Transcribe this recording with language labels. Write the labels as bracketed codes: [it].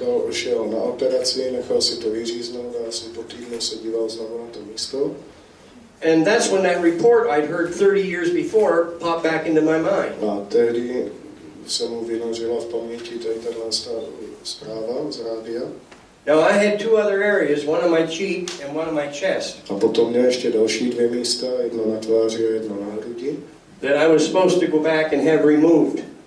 [cs] Šel na operaci, nechal si to vyříznout a asi po týdnu se díval znovu na to místo. [en] And that's when that report I'd heard 30 years before popped back into my mind. [cs] A tehdy se mu vynořila v paměti tato zpráva z rádia. [en] Now I had two other areas, one on my cheek and one on my chest. [cs] A potom měl ještě další dvě místa, jedno na tváři a jedno na hrudi. [en] That I was supposed to go back and have removed.